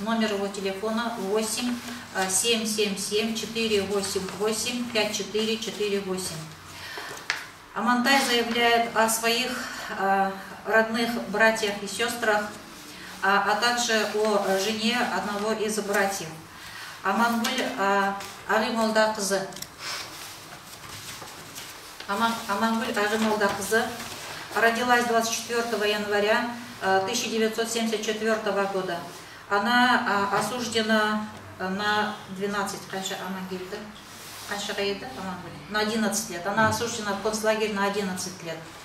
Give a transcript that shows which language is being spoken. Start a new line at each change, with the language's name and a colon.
Russian: Номер его телефона 8-777-488-5448. Амантай заявляет о своих родных братьях и сестрах, а также о жене одного из братьев.
Kazakh: Амангуль Ағымолда қызы.
Russian: Амангуль Ағымолда қызы родилась 24 января 1974 года. Она осуждена на 12,
Kazakh: қанша
Russian: Амангильді?
Kazakh: Қаншаға еді
Russian: Амангуль? На 11 лет. Она осуждена в концлагерь на 11 лет.